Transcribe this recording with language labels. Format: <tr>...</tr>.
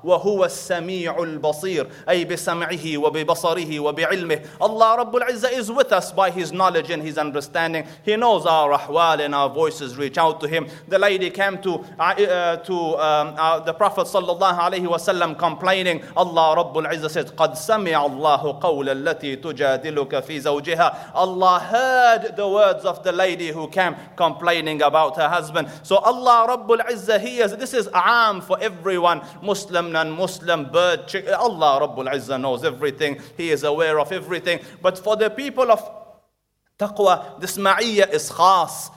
<ar>وهو السميع البصير. أي بسمعه وببصره وبعلمه.</ar> <en>Allah Rabbul Izzah is with us by his knowledge and his understanding. He knows our ahwal and our voices reach out to him. The lady came to the Prophet sallallahu alayhi wasallam complaining. Allah Rabbul Izzah said,</en> <ar>قد سمع الله قول التي تجادلك في زوجها.</ar> <en>Allah heard the words of the lady who came complaining about her husband. So Allah Rabbul Izzah, this is aam for everyone, Muslim, non-Muslim, bird, chicken. Allah Rabbul Izzah knows everything. He is aware of everything. But for the people of taqwa, this ma'iyya is khas.</en>